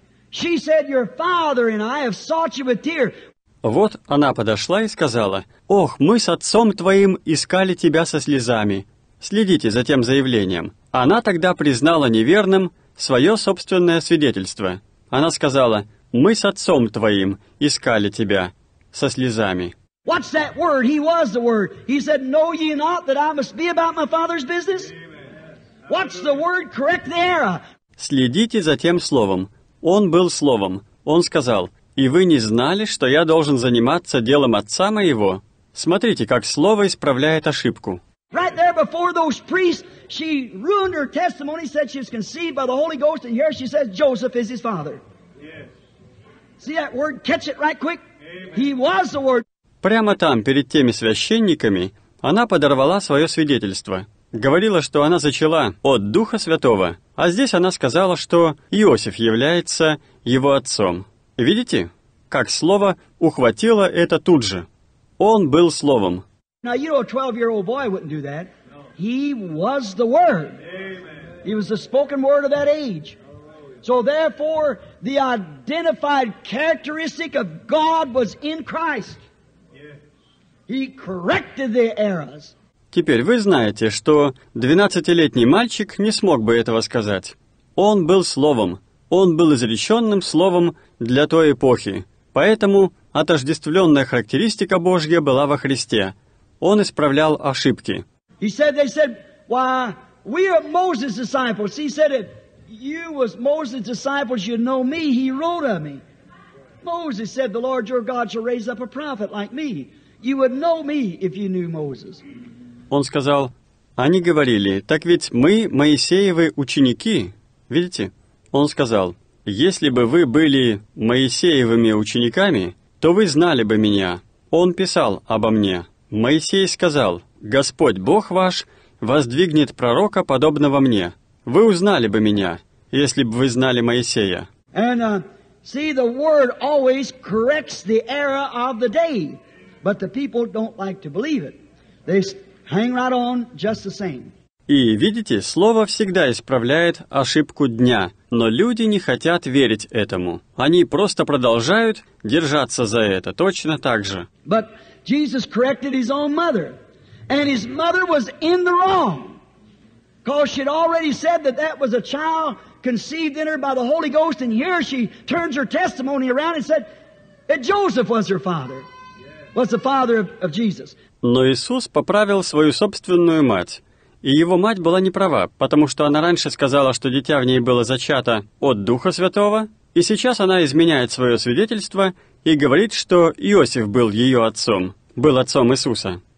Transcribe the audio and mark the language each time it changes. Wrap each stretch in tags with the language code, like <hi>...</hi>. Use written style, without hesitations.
<en>She said, Your father and I have sought you with tears.</en> <ru>Вот она подошла и сказала, «Ох, мы с отцом твоим искали тебя со слезами». Следите за тем заявлением. Она тогда признала неверным свое собственное свидетельство. Она сказала, «Мы с отцом твоим искали тебя со слезами».</ru> <en>What's that word? He was the word. He said, Know ye not that I must be about my father's business? What's the word? Correct the error.</en> <ru>Следите за тем словом. Он был словом. Он сказал, «И вы не знали, что я должен заниматься делом отца моего?» Смотрите, как слово исправляет ошибку.</ru> <en>Right there before those priests, she ruined her testimony, said she was conceived by the Holy Ghost, and here she says, Joseph is his father. Yes. See that word? Catch it right quick. Amen. He was the word.</en> <ru>Прямо там, перед теми священниками, она подорвала свое свидетельство. Говорила, что она зачала от Духа Святого, а здесь она сказала, что Иосиф является его отцом. Видите, как слово ухватило это тут же. Он был словом.</ru> <en>Now, you know, a 12-year-old boy wouldn't do that. He was the Word. Amen. He was the spoken Word of that age. So, therefore, the identified characteristic of God was in Christ. He corrected the errors.</en> <ru>Теперь вы знаете, что 12-летний мальчик не смог бы этого сказать. Он был словом. Он был изреченным словом для той эпохи. Поэтому отождествленная характеристика Божья была во Христе. Он исправлял ошибки.</ru> <en>He said, they said, why, we are Moses' disciples. He said, if you was Moses' disciples, you'd know me. He wrote of me. Moses said, the Lord your God shall raise up a prophet like me. You would know me if you knew Moses.</en> <ru>Он сказал, они говорили, так ведь мы, Моисеевы, ученики, видите? Он сказал, если бы вы были Моисеевыми учениками, то вы знали бы меня. Он писал обо мне. Моисей сказал, Господь Бог ваш воздвигнет пророка, подобного мне. Вы узнали бы меня, если бы вы знали Моисея.</ru> <en>And, See, the Word always corrects the error of the day, but the people don't like to believe it. They hang right on just the same.</en> <ru>И видите, Слово всегда исправляет ошибку дня, но люди не хотят верить этому. Они просто продолжают держаться за это точно так же.</ru> <en>But Jesus corrected his own mother, and his mother was in the wrong, because she had already said that that was a child conceived in her by the Holy Ghost, and here she turns her testimony around and said that Joseph was her father, was the father of Jesus.</en> <ru>Но Иисус поправил свою собственную мать. И его мать была не права, потому что она раньше сказала, что дитя в ней было зачато от Духа Святого, и сейчас она изменяет свое свидетельство и говорит, что Иосиф был ее отцом, был отцом Иисуса.</ru>